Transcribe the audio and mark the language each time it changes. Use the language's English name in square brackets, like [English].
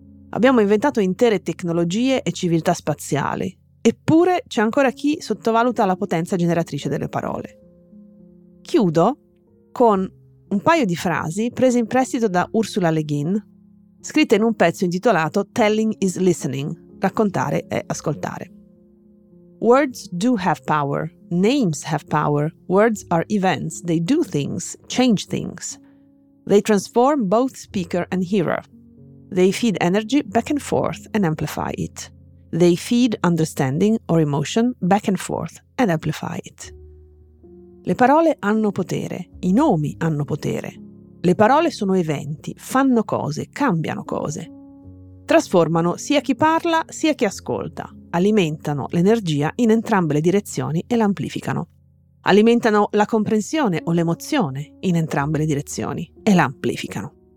[Italian] Abbiamo inventato intere tecnologie e civiltà spaziali, eppure c'è ancora chi sottovaluta la potenza generatrice delle parole. Chiudo con un paio di frasi prese in prestito da Ursula Le Guin, scritte in un pezzo intitolato Telling is Listening, raccontare è ascoltare. [English] Words do have power, names have power, words are events, they do things, change things. They transform both speaker and hearer. They feed energy back and forth and amplify it. They feed understanding or emotion back and forth and amplify it. [Italian] Le parole hanno potere, i nomi hanno potere. Le parole sono eventi, fanno cose, cambiano cose. Trasformano sia chi parla sia chi ascolta. Alimentano l'energia in entrambe le direzioni e l'amplificano. Alimentano la comprensione o l'emozione in entrambe le direzioni e l'amplificano.